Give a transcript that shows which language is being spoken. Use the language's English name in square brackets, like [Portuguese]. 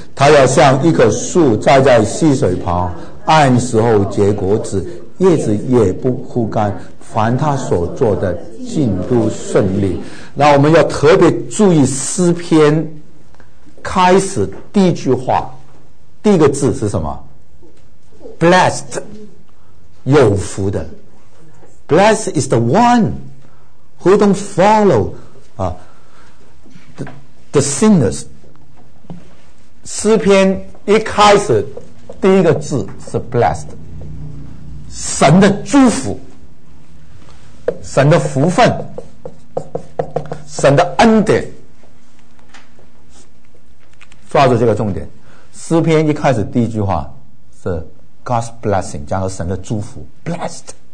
[Chinese] 他要像一棵树栽在溪水旁，按时候结果子，叶子也不枯干，凡他所做的进度顺利。那我们要特别注意诗篇开始第一句话第一个字是什么， blessed， 有福的。 [English] blessed is the one who don't follow the sinners。 [Chinese] 诗篇一开始第一个字是 blessed， 神的祝福，神的福分，神的恩典。抓住这个重点，诗篇一开始第一句话是 [English] God's blessing， [Chinese] 加上神的祝福 blessed。